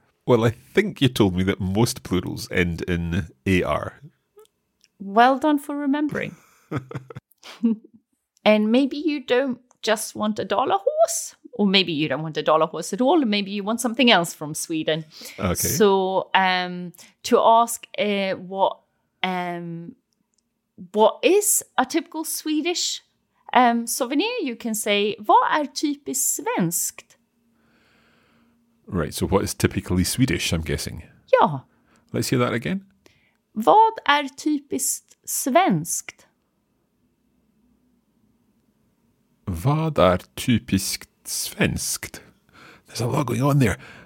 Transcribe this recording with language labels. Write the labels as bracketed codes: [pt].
[en] Well, I think you told me that most plurals end in AR. Well done for remembering. And maybe you don't just want a dollar horse, or maybe you don't want a dollar horse at all, or maybe you want something else from Sweden. Okay. So to ask what is a typical Swedish souvenir, you can say, [sv] vad är typiskt svenskt? [en] Right, so what is typically Swedish, I'm guessing? [sv] Ja. [en] Let's hear that again. [sv] Vad är typiskt svenskt? Vad är typiskt svenskt? [en] There's a lot going on there.